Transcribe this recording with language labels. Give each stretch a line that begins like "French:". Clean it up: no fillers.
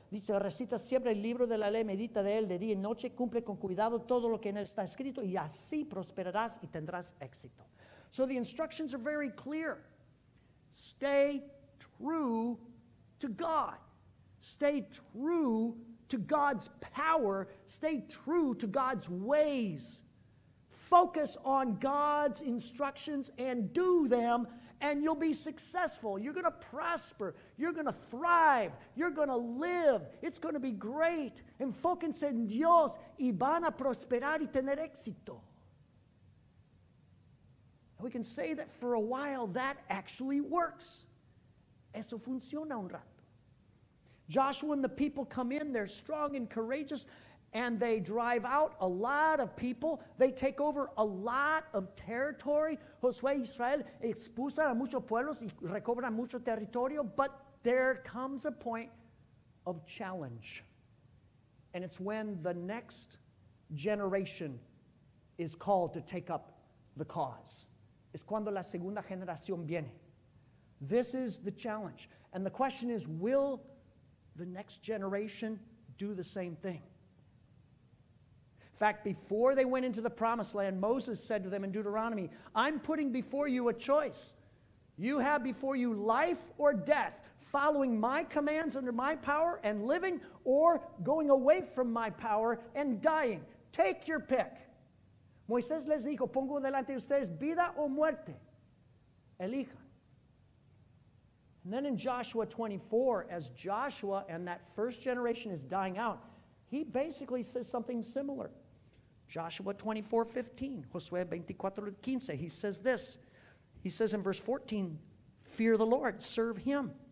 Spanish: Dice, recita siempre el libro de la ley, medita de él de día y noche, cumple con cuidado todo lo que en él está escrito, y así prosperarás y tendrás éxito.
English: So the instructions are very clear. Stay true to God. Stay true to God's power. Stay true to God's ways. Focus on God's instructions and do them, and you'll be successful. You're going to prosper. You're going to thrive. You're going to live. It's going to be great.
Spanish: Enfóquense en Dios y van a prosperar y tener éxito.
English: We can say that for a while that actually works.
Spanish: Eso funciona un rato.
English: Joshua and the people come in, they're strong and courageous, and they drive out a lot of people. They take over a lot of territory.
Spanish: Josué y Israel expulsan a muchos pueblos y recobran mucho territorio,
English: but there comes a point of challenge. And it's when the next generation is called to take up the cause.
Spanish: Es cuando la segunda generación viene.
English: This is the challenge. And the question is, will the next generation do the same thing? In fact, before they went into the promised land, Moses said to them in Deuteronomy, I'm putting before you a choice. You have before you life or death, following my commands under my power and living, or going away from my power and dying. Take your pick.
Spanish: Moisés les dijo, pongo delante de ustedes vida o muerte. Elijan.
English: And then in Joshua 24, as Joshua and that first generation is dying out, he basically says something similar. Joshua 24, 15, Josué 24, 15, he says this. He says in verse 14, fear the Lord, serve him.